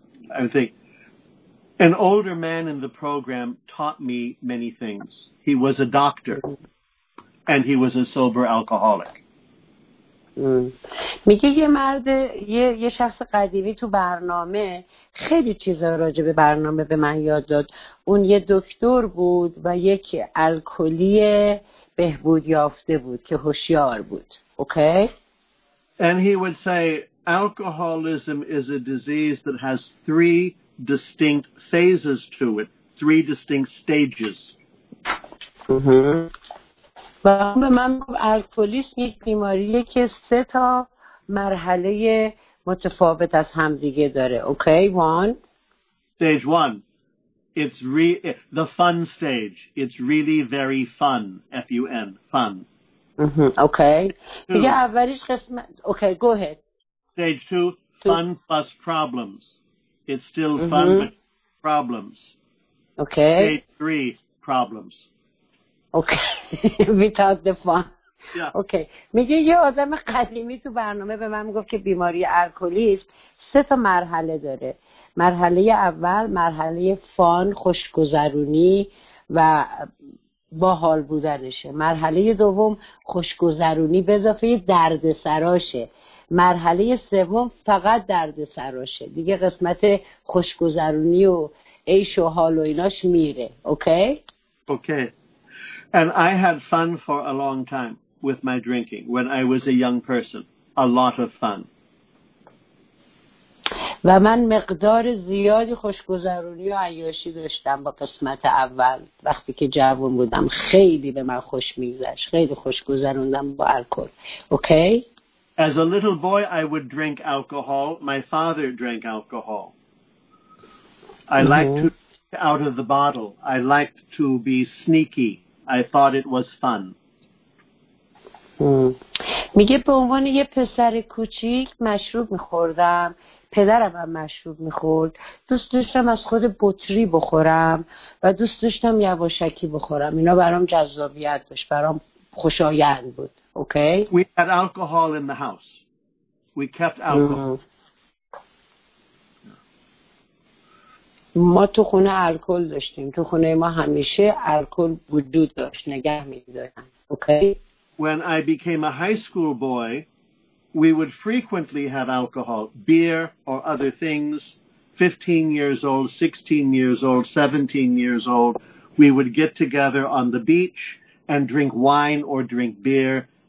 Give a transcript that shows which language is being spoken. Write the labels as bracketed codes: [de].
[en] An older man in the program taught me many things. He was a doctor, and he was a sober alcoholic. [fa] میگه یه مرد یه شخص قدیمی تو برنامه خیلی چیزا راجع به برنامه به من یاد داد. اون یه دکتر بود و یک الکلی بهبود یافته بود که هوشیار بود. [en] Okay? And he would say alcoholism is a disease that has three distinct phases to it, three distinct stages. Mm-hmm. [fa] به من الکلیسم یک بیماریه که سه تا مرحله متفاوت از هم دیگه داره. [en] Okay, one. Stage one. It's the fun stage. It's really very fun. F-U-N. Fun. Mm-hmm. Okay. [fa] دیگه اولیش قسمت. [en] Okay, go ahead. Stage two. Fun plus problems. It's still fun, mm-hmm. but problems. Okay. Stage three, problems. Okay. Without the fun. Yeah. Okay. [fa] میگه یه آدم قدیمی تو برنامه به من گفت که بیماری الکلیسم سه تا مرحله داره. مرحله اول، مرحله فان، خوشگذرونی و باحال بودنشه. مرحله دوم، خوشگذرونی به اضافه دردسراشه. مرحله سوم فقط درد سراشه دیگه قسمت خوشگذرونی و عیش و حال و ایناش میره اوکی [en] okay and I had fun for a long time with my drinking when I was a young person a lot of fun [fa] و من مقدار زیادی خوشگذرونی و عیاشی داشتم با قسمت اول وقتی که جوان بودم خیلی به من خوش میگذشت خیلی خوشگذروندم با الکل اوکی [en] As a little boy, I would drink alcohol. My father drank alcohol. I liked to drink out of the bottle. I liked to be sneaky. I thought it was fun. [fa] میگه به عنوان یه پسر کوچیک مشروب میخوردم. پدرم هم مشروب میخورد. دوست داشتم از خود بطری بخورم و دوست داشتم یواشکی بخورم. اینا برام جذابیت داشت. برام خوشایند بود. Okay. [en] We had alcohol in the house. We kept alcohol. [fa] ما تو خونه الکل داشتیم. تو خونه ما همیشه الکل وجود داشت. نگه می‌داشتیم. Okay. [en] When I became a high school boy, we would frequently have alcohol, beer or other things. 15 years old, 16 years old, 17 years old, we would get together on the beach and drink wine or drink beer.